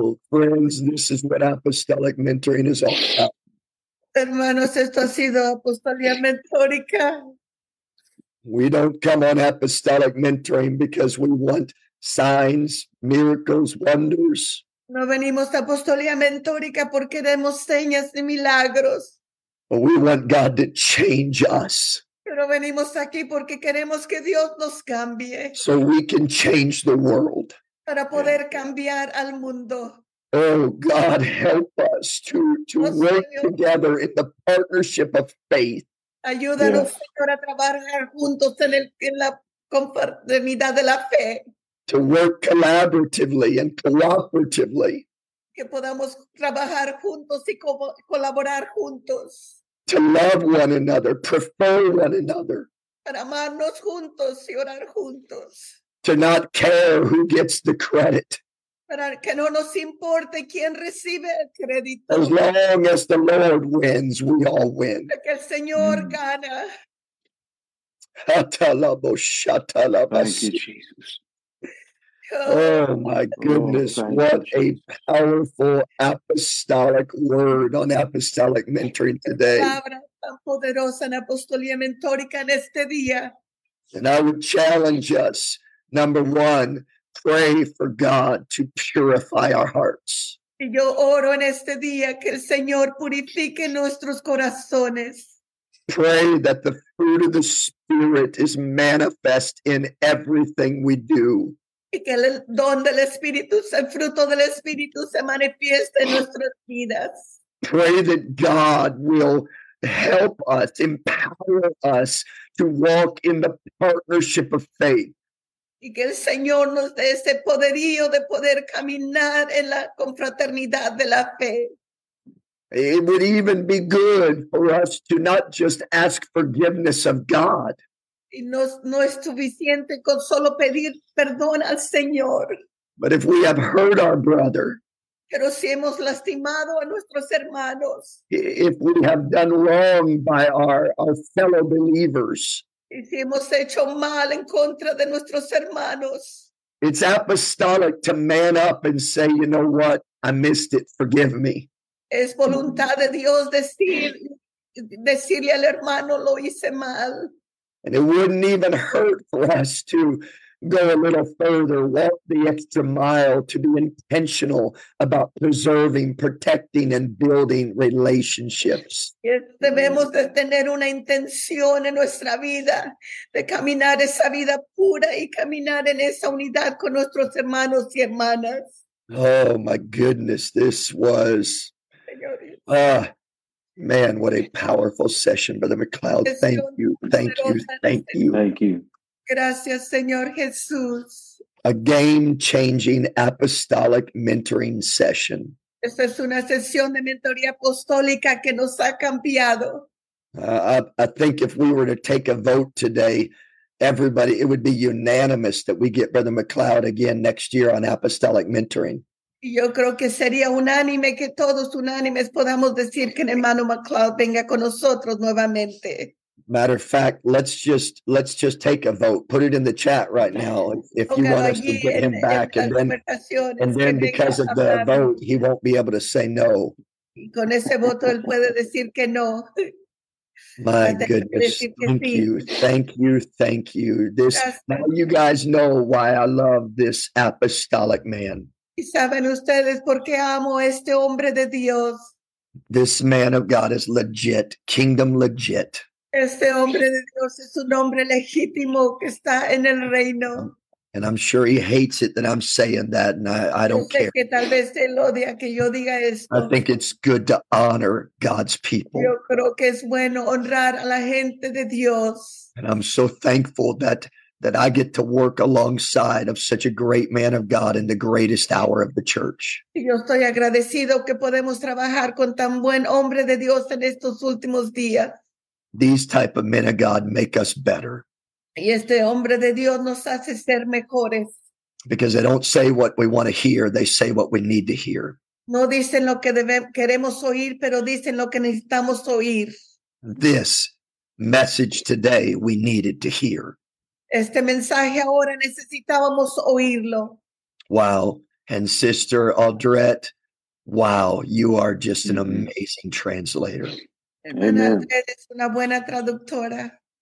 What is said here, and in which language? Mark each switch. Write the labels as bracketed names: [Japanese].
[English] Friends, this is what apostolic mentoring is all about. [Spanish] Hermanos, esto ha sido apostolía mentórica. [English] We don't come on apostolic mentoring because we want signs, miracles, wonders. [Spanish] No venimos a apostolía mentórica porque queremos señas y milagros. [English] We want God to change us. [Spanish] Pero venimos aquí porque queremos que Dios nos cambie. [English] So we can change the world. [Spanish] Para poder cambiar al mundo. [English] Oh, God, help us to work together in the partnership of faith. [Spanish] Ayúdanos, Señor, a trabajar juntos en la confraternidad de la fe. [English] To work collaboratively and cooperatively. [Spanish] Que podamos trabajar juntos y colaborar juntos. [English] To love one another, prefer one another. [Spanish] Para amarnos juntos y orar juntos. [English] To not care who gets the credit. [Spanish] Para que no nos importe quién recibe el crédito. [English] As long as the Lord wins, we all win. [Spanish] Que el Señor gana. Hatalabo shatalabo. [English] Thank you, Jesus. Oh, my goodness. Oh, what a powerful apostolic word on apostolic mentoring today. [Spanish] Palabra tan poderosa en apostolía mentórica en este día. [English] And I would challenge us, number one, pray for God to purify our hearts. [Spanish] Y yo oro en este día que el Señor purifique nuestros corazones. [English] Pray that the fruit of the Spirit is manifest in everything we do. [Spanish] Y que el don del Espíritu, el fruto del Espíritu se manifieste en nuestras vidas. [English] Pray that God will help us, empower us to walk in the partnership of faith. [Spanish] Y que el Señor nos dé ese poderío de poder caminar en la confraternidad de la fe. [English] It would even be good for us to not just ask forgiveness of God. [Spanish] Y no es suficiente con solo pedir perdón al Señor. [English] But if we have hurt our brother. [Spanish] Pero si hemos lastimado a nuestros hermanos. [English] If we have done wrong by our fellow believers. [Spanish] Y si hemos hecho mal en contra de nuestros hermanos. [English] It's apostolic to man up and say, you know what, I missed it, forgive me. [Spanish] Es voluntad de Dios decirle al hermano, lo hice mal. [English] And it wouldn't even hurt for us to go a little further, walk the extra mile, to be intentional about preserving, protecting, and building relationships. [Spanish] Debemos de tener una intención en nuestra vida, de caminar esa vida pura y caminar en esa unidad con nuestros hermanos y hermanas. [English] Oh, my goodness, this was... Man, what a powerful session, Brother McLeod. Thank you, thank you, thank you. Thank you. [Spanish] Gracias, Señor Jesús. [English] A game-changing apostolic mentoring session. [Spanish] Esta es una sesión de mentoría apostólica que nos ha cambiado. [English] I think if we were to take a vote today, everybody, it would be unanimous that we get Brother McLeod again next year on apostolic mentoring. [Spanish] Yo creo que sería unánime que todos unánimes podamos decir que el hermano McLeod venga con nosotros nuevamente. [English] Matter of fact, let's just take a vote. Put it in the chat right now if you want us to get him back. And then because of the vote, he won't be able to say no. [Spanish] Con ese voto, él puede decir que no. [English] My goodness. Thank you. Thank you. Thank you. This, now you guys know why I love this apostolic man. [Spanish] ¿Y saben ustedes por qué amo a este hombre de Dios? [English] This man of God is legit, kingdom legit. [Spanish] Este hombre de Dios es un hombre legítimo que está en el reino. [English] And I'm sure he hates it that I'm saying that, and I don't care. [Spanish] Que tal vez él odia que yo diga esto. [English] I think it's good to honor God's people. [Spanish] Yo creo que es bueno honrar a la gente de Dios. [English] And I'm so thankful that I get to work alongside of such a great man of God in the greatest hour of the church. [Spanish] Yo estoy agradecido que podemos trabajar con tan buen hombre de Dios en estos últimos días. [English] These type of men of God make us better. [Spanish] Y este hombre de Dios nos hace ser mejores. [English] Because they don't say what we want to hear, they say what we need to hear. [Spanish] No dicen lo que queremos oír, pero dicen lo que necesitamos oír. [English] This message today we needed to hear. [Spanish] Este mensaje ahora necesitábamos oírlo. [English] Wow. And Sister Audrette, wow, you are just an amazing translator. [Spanish] Hermana Audrette es una buena traductora.